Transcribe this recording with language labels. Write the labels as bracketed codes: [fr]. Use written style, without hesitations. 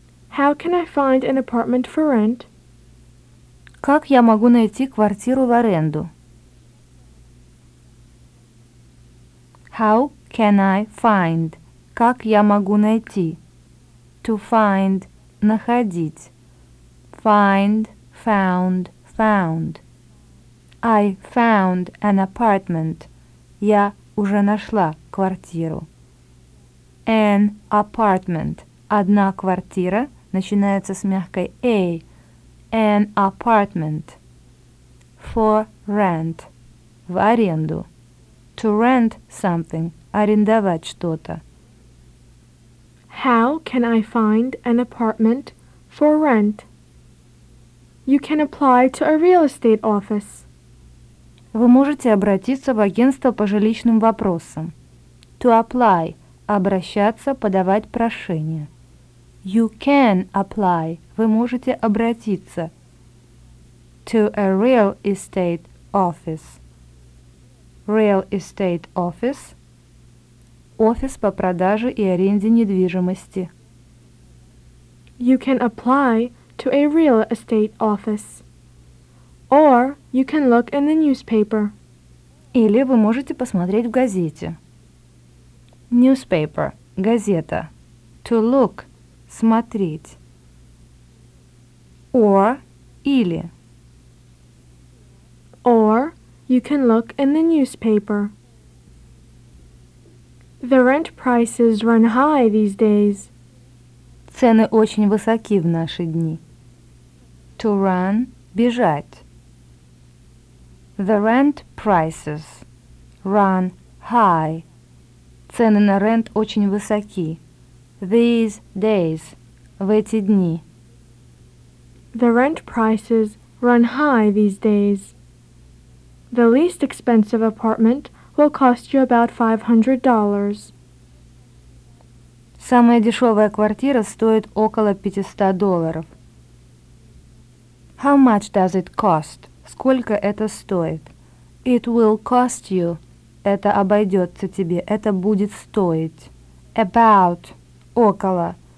[en] How can I find an apartment for rent? [ru] Как я могу найти квартиру в аренду? [en] How can I find? [ru] Как я могу найти? [en] To find. [ru] Находить. [en] Find. Found. Found. I found an apartment. [ru] Я уже нашла квартиру. [en] An apartment. [ru] Одна квартира начинается с мягкой A. [en] An apartment. For rent. [ru] В аренду. [en] To rent something. [ru] Арендовать что-то. [en] How can I find an apartment for rent? You can apply to a real estate office. [ru] Вы можете обратиться в агентство по жилищным вопросам. [en] To apply [ru] – обращаться, подавать прошение. [en] You can apply – [ru] вы можете обратиться. [en] To a real estate office. Real estate office [ru] – офис по продаже и аренде недвижимости. [en] You can apply to a real estate office. Or you can look in the newspaper. [ru] Или вы можете посмотреть в газете. [en] Newspaper. [ru] Газета. [en] To look. [ru] Смотреть. [en] Or. [ru] Или. [en] Or you can look in the newspaper. The rent prices run high these days. [ru] Цены очень высоки в наши дни. [en] To run – [ru] бежать. [en] The rent prices run high. [ru] Цены на рент очень высоки. [en] These days [ru] – в эти дни. [en] The rent prices run high these days. The least expensive apartment will cost you about $500. [ru] Самая дешевая квартира стоит около $500. [en] How much does it cost? [ru] Сколько это стоит? [en] It will cost you. [ru] Это обойдется тебе. Это будет стоить. [en] About. [ru] Около.